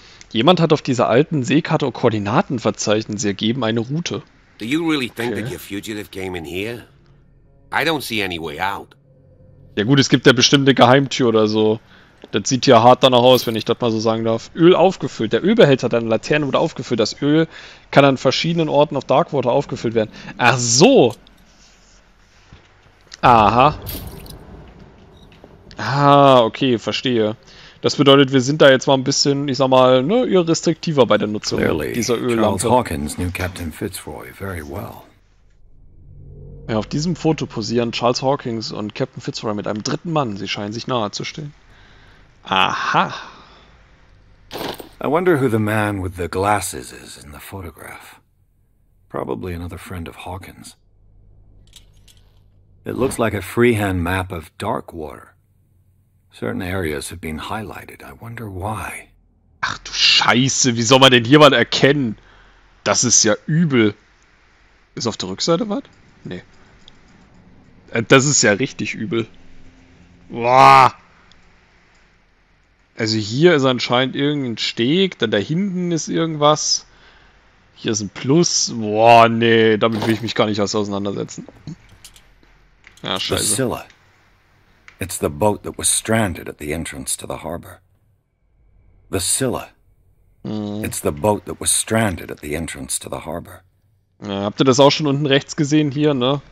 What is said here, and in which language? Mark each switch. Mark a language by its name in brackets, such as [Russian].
[German] Jemand hat auf dieser alten Seekarte auch Koordinaten verzeichnet. Sie ergeben eine Route. [English] Do you really think that your fugitive came in here? I don't see any way out. [German] Ja gut, es gibt ja bestimmt eine Geheimtür oder so. Das sieht ja hart danach aus, wenn ich das mal so sagen darf. Öl aufgefüllt. Der Ölbehälter deiner Laterne wurde aufgefüllt. Das Öl kann an verschiedenen Orten auf Darkwater aufgefüllt werden. Ach so. Aha. Ah, okay, verstehe. Das bedeutet, wir sind da jetzt mal ein bisschen, ich sag mal, ne, eher restriktiver bei der Nutzung dieser Öllampe. [English] Charles Hawkins knew Captain Fitzroy very well. [German] Ja, auf diesem Foto posieren Charles Hawkins und Captain Fitzroy mit einem dritten Mann. Sie scheinen sich nahe zu stehen. Aha. [English] I wonder who the man with the glasses is in the photograph. Probably another friend of Hawkins. It looks like a freehand map of Darkwater. Certain areas have been highlighted. I wonder why. [German] Ach du Scheiße, wie soll man denn hier mal erkennen? Das ist ja übel. Ist auf der Rückseite was? Nee. Das ist ja richtig übel. Boah. Also hier ist anscheinend irgendein Steg, dann da hinten ist irgendwas. Hier ist ein Plus. Boah, nee, damit will ich mich gar nicht erst auseinandersetzen. Ja, scheiße. [English] Scylla. It's the boat that was stranded at the entrance to the harbor. The Scylla. It's the boat that was stranded at the entrance to the harbor. [German] Ja, habt ihr das auch schon unten rechts gesehen hier, ne?